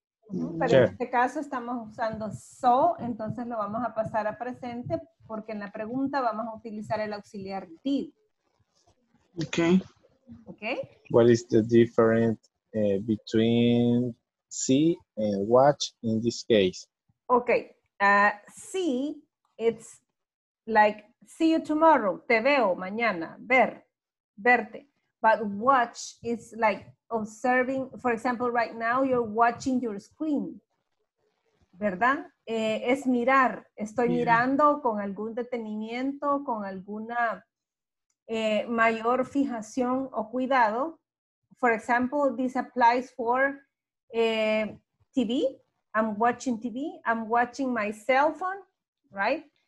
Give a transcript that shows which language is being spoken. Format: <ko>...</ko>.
<es>Pero sure. En este caso estamos usando so, entonces lo vamos a pasar a presente porque en la pregunta vamos a utilizar el auxiliar did.</es> <en>Okay. Okay. What is the difference between see and watch in this case? Okay. See, it's like see you tomorrow,</en> <es>te veo mañana, verte.</es> <en>But watch is like observing, for example, right now you're watching your screen, ¿verdad?</en> <es>Es mirar, estoy mirando con algún detenimiento, con alguna mayor fijación o cuidado.</es> <en>For example, this applies for TV. I'm watching TV, I'm watching my cell phone, right?</en>